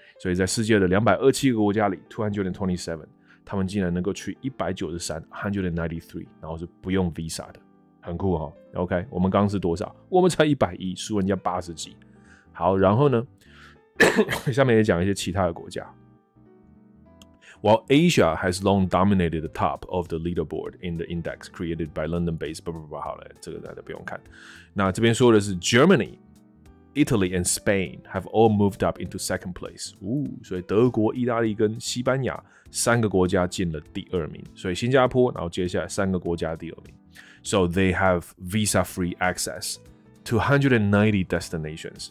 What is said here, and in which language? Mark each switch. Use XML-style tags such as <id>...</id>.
<zh>所以在世界的227个国家里 ,227, 他们竟然能够去 193, 然后是不用 visa 的。很酷齁、哦。 OK, 我们刚是多少，我们才110，输人家80几。好，然后呢下面也讲一些其他的国家。</zh> <en>While Asia has long dominated the top of the leaderboard in the index created by London-based,</en> <zh>好了，这个大家不用看。那这边说的是</zh> <en>Germany Italy and Spain have all moved up into second place.</en> <zh>所以德国、意大利跟西班牙三个国家进了第二名。所以新加坡，然后接下来三个国家第二名。</zh> <en>So they have visa-free access to 190 destinations.</en>